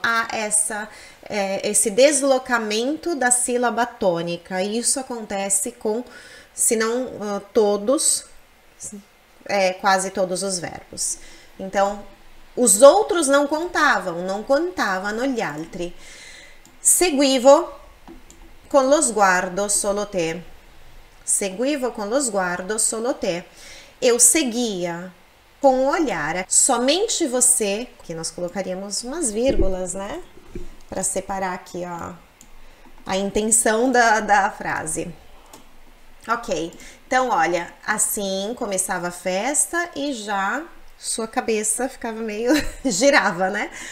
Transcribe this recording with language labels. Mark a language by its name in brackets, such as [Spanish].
[Portuguese] Há esse deslocamento da sílaba tônica. Isso acontece com, se não todos, quase todos os verbos. Então, os outros não contavam, [Italian] non contavano gli altri. Seguivo con lo sguardo solo te. Seguivo con lo sguardo solo te. [Portuguese] Eu seguia com o olhar, somente você, que nós colocaríamos umas vírgulas, né? Para separar aqui, ó, a intenção da frase. Ok, então olha, assim começava a festa e já sua cabeça ficava meio girava, né?